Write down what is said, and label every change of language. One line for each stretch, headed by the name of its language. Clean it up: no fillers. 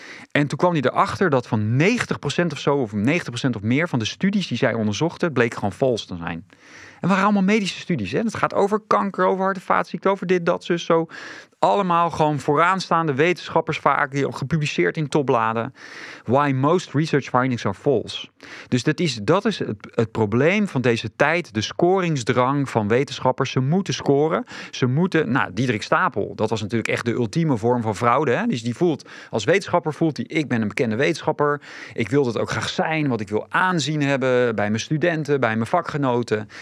Dutch: En toen kwam hij erachter dat van 90% of zo, of 90% of meer van de studies die zij onderzochten, bleek gewoon vals te zijn. En waren allemaal medische studies. Hè? Het gaat over kanker, over hart- en vaatziekten, over dit, dat, zus, zo. Allemaal gewoon vooraanstaande wetenschappers vaak, die gepubliceerd in topbladen.
English: Why most research findings are false.
Dutch: Dus dat is het probleem van deze tijd, de scoringsdrang van wetenschappers. Ze moeten scoren. Ze moeten, nou, Diederik Stapel, dat was natuurlijk echt de ultieme vorm van fraude. Hè? Dus die voelt, als wetenschapper voelt hij, ik ben een bekende wetenschapper. Ik wil dat ook graag zijn, want ik wil aanzien hebben bij mijn studenten, bij mijn vakgenoten.